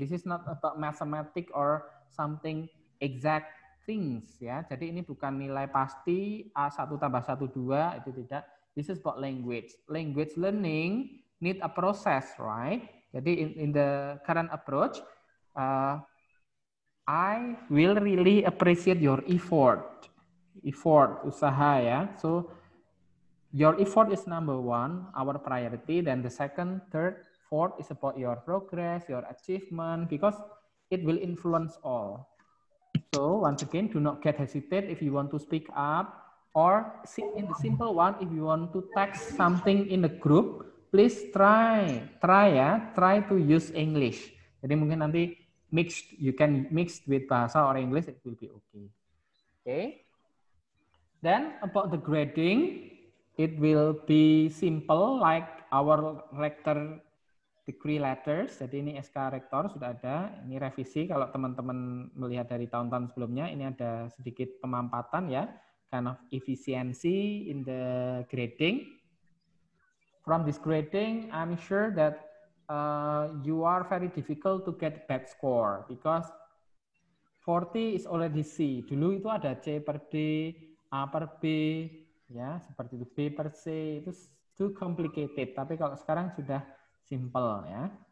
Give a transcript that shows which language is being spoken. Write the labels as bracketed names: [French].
[English] This is not about mathematics or something exact things, ya. [Indonesian] Jadi ini bukan nilai pasti A1 tambah 1, 2, itu tidak. [English] This is about language. Language learning need a process, right? [Indonesian] Jadi [English] in the current approach, I will really appreciate your effort, [Indonesian] usaha ya. [English] So your effort is number one, our priority. Then the second, third, fourth is about your progress, your achievement, because it will influence all. So once again, do not get hesitate if you want to speak up, or in the simple one, if you want to text something in the group, please try to use English. [Indonesian] Jadi mungkin nanti [English] mixed, you can mix with bahasa or English, it will be okay. Okay. Then about the grading, it will be simple like our rector decree letters. [Indonesian] Jadi ini SK rektor sudah ada. Ini revisi kalau teman-teman melihat dari tahun-tahun sebelumnya. Ini ada sedikit pemampatan ya. [English] Kind of efficiency in the grading. From this grading, I'm sure that you are very difficult to get bad score because 40 is already C. [Indonesian] Dulu itu ada C per D, A per B, ya, seperti itu B per C, itu [English] too complicated. [Indonesian] Tapi kalau sekarang sudah simple ya.